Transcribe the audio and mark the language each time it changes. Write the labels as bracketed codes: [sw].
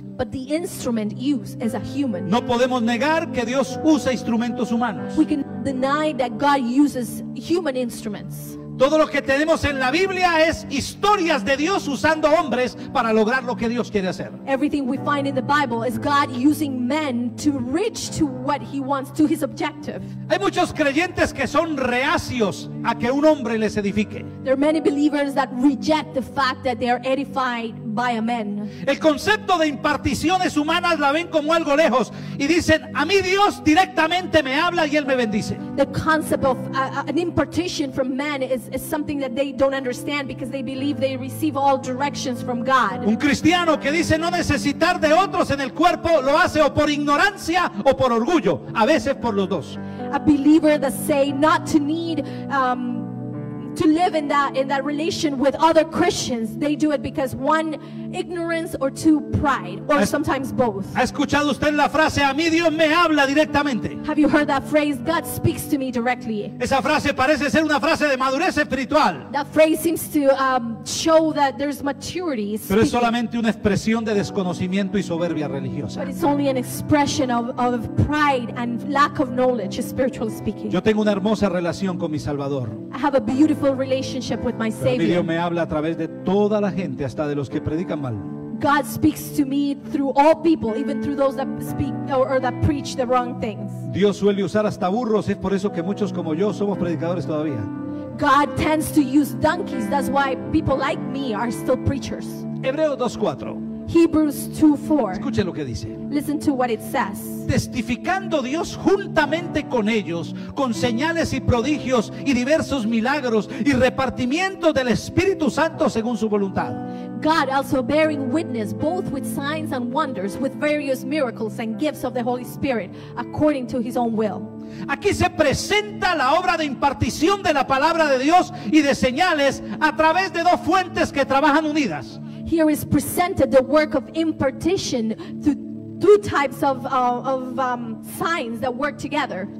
[en] But the instrument used is a human. [es] No podemos negar que Dios usa instrumentos humanos. [en] We can deny that God uses human instruments. [es] Todo lo que tenemos en la Biblia es historias de Dios usando hombres para lograr lo que Dios quiere hacer. [en] Everything we find in the Bible is God using men to reach to what he wants, to his objective. [es] Hay muchos creyentes que son reacios a que un hombre les edifique. [en] There are many believers that reject the fact that they are edified by a man. [es] El concepto de imparticiones humanas la ven como algo lejos y dicen, a mí Dios directamente me habla y él me bendice. [en] The concept of an impartition from man is something that they don't understand because they believe they receive all directions from God. [es] Un cristiano que dice no necesitar de otros en el cuerpo lo hace o por ignorancia o por orgullo, a veces por los dos. [en] A believer that say not to need to live in that relation with other Christians, they do it because one, ignorance, or two, pride, or sometimes both. [es] ¿Ha escuchado usted la frase, a mí Dios me habla directamente? [en] Have you heard that phrase, God speaks to me directly? [es] Esa frase parece ser una frase de madurez espiritual. [en] That phrase seems to show that there's maturity speaking. [es] Pero es solamente una expresión de desconocimiento y soberbia religiosa. [en] But it's only an expression of pride and lack of knowledge, spiritually speaking. [es] Yo tengo una hermosa relación con mi Salvador. [en] I have a beautiful relationship with my Savior. [es] Pero mi Dios me habla a través de toda la gente, hasta de los que predican. [en] God speaks to me through all people, even through those that speak or that preach the wrong things. [es] Dios suele usar hasta burros, es por eso que muchos como yo somos predicadores todavía. [en] God tends to use donkeys, that's why people like me are still preachers. [es] Hebreos 2:4. [en] Hebrews 2:4. [es] Escuche lo que dice. [en] Listen to what it says. [es] Testificando Dios juntamente con ellos, con señales y prodigios y diversos milagros y repartimiento del Espíritu Santo según su voluntad. [en] God also bearing witness both with signs and wonders, with various miracles and gifts of the Holy Spirit according to his own will. [es] Aquí se presenta la obra de impartición de la palabra de Dios y de señales a través de dos fuentes que trabajan unidas. [en] Here is presented the work of impartition through two types of signs that work together.